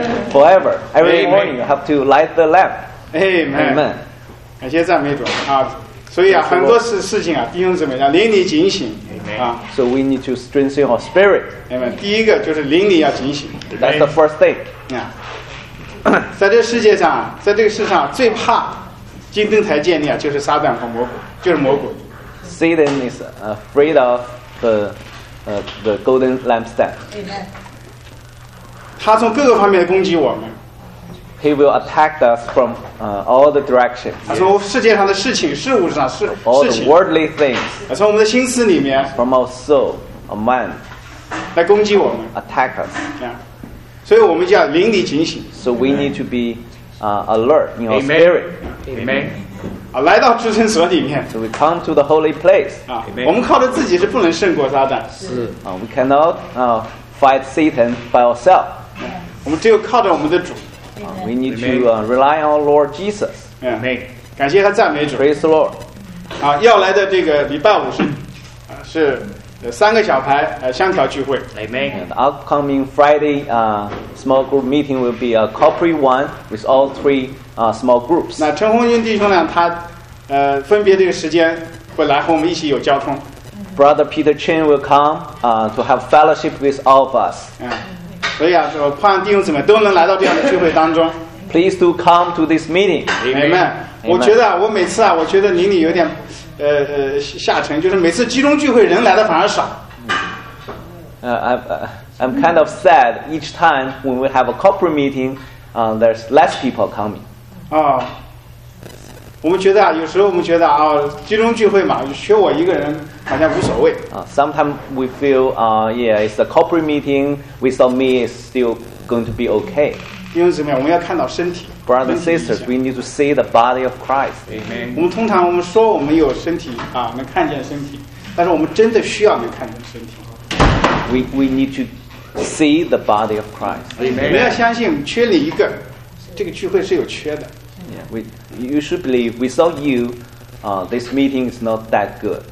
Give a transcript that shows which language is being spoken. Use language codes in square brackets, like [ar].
[en] Forever, every morning you have to light the lamp. [zh] Amen. 感谢赞美主啊！所以啊，很多事情啊，弟兄姊妹要灵里警醒啊。 [en] So we need to strengthen our spirit. Amen. [zh] 第一个就是灵里要警醒。 [en] That's the first thing. [zh] 在这个世界上，在这个世上最怕金灯台建立啊，就是撒旦和魔鬼，就是魔鬼。 [en] Satan is afraid of the golden lampstand. Amen. [zh] 他从各个方面攻击我们。 [en] He will attack us from all the directions. [zh] 他从世界上的事情、事物上事情。 [en] All the worldly things. [zh] 从我们的心思里面。 [en] From our soul, our mind. [zh] 来攻击我们。 [en] Attack us. [zh] 所以我们叫灵里警醒。 [en] So we need to be alert in our spirit. Amen. [zh] 来到至圣所里面。 [en] So we come to the holy place. [zh] 我们靠着自己是不能胜过撒旦。是。 [en] We cannot fight Satan by ourselves. [zh] 我们只有靠着我们的主。 [en] We need to rely on Lord Jesus. [zh] Amen. 感谢和赞美主。 [en] Praise the Lord. [zh] 要来的这个礼拜五是三个小牌香条聚会。 [en] Amen. And upcoming Friday small group meeting will be a corporate one with all three small groups. [zh] 那陈红军弟兄呢？他分别这个时间会来和我们一起有交通。 [en] Brother Peter Chen will come to have fellowship with all of us. [zh] 所以啊，我盼望弟兄姊妹都能来到这样的聚会当中。 [en] Please do come to this meeting. [zh] Amen. Amen. 我觉得啊，我每次啊，我觉得邻里有点下沉，就是每次集中聚会人来的反而少。 [en] I'm kind of sad each time when we have a corporate meeting, there's less people coming. [zh] 我们觉得啊，有时候我们觉得啊，集中聚会嘛，缺我一个人。好像无所谓。 [en] Sometimes we feel, it's a corporate meeting. Without me, it's still going to be okay. [zh] 弟兄姊妹，我们要看到身体。 [en] Brothers and sisters, we need to see the body of Christ. Amen. [zh] 我们通常我们说我们有身体啊，能看见身体，但是我们真的需要能看见身体。 [en] We need to see the body of Christ. Amen. [zh] 我们要相信，缺你一个，这个聚会是有缺的。 [en] Yeah, you should believe. Without you, this meeting is not that good.